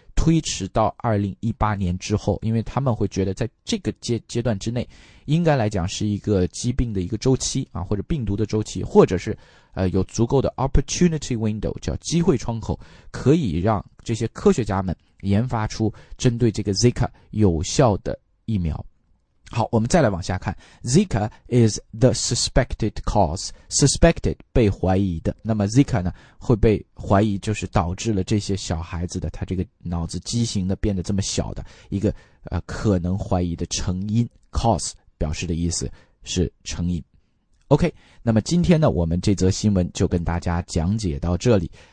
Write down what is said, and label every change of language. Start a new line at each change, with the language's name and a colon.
Chinese: 推迟到2018年之后，因为他们会觉得在这个 阶段之内应该来讲是一个疾病的一个周期啊，或者病毒的周期，或者是有足够的 opportunity window， 叫机会窗口，可以让这些科学家们研发出针对这个 Zika 有效的疫苗。好，我们再来往下看。
English: Zika is the suspected cause.
Chinese: Suspected, 被怀疑的。那么 Zika 呢，会被怀疑就是导致了这些小孩子的他这个脑子畸形的变得这么小的一个可能怀疑的成因。 cause 表示的意思是成因。OK, 那么今天呢，我们这则新闻就跟大家讲解到这里。